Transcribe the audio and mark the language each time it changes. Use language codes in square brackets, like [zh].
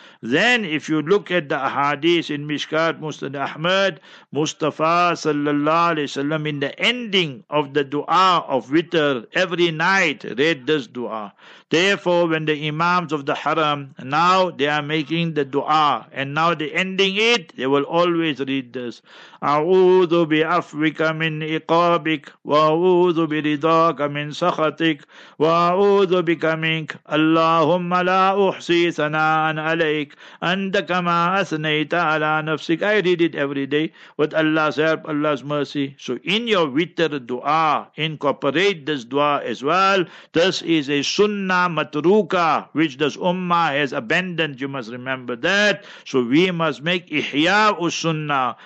[en] Then if you look at the ahadith in Mishkat Musnad Ahmad, Mustafa sallallahu alayhi wa sallam in the ending of the dua of witr every night read this dua. Therefore when the imams of the haram, now they are making the dua and now they're ending it, they will always read this. [ar] A'udhu bi afwika min iqabik wa a'udhu bi ridaka min sakhatik wa أعوذ بك منك اللهم لا أحصي ثناء عليك أنت كما أثنيت على نفسك. [en] I read it every day with Allah's help, Allah's mercy. So in your witr dua, incorporate this dua as well. This is a sunnah matruka which this ummah has abandoned. You must remember that. So we must make ihya us-sunnah.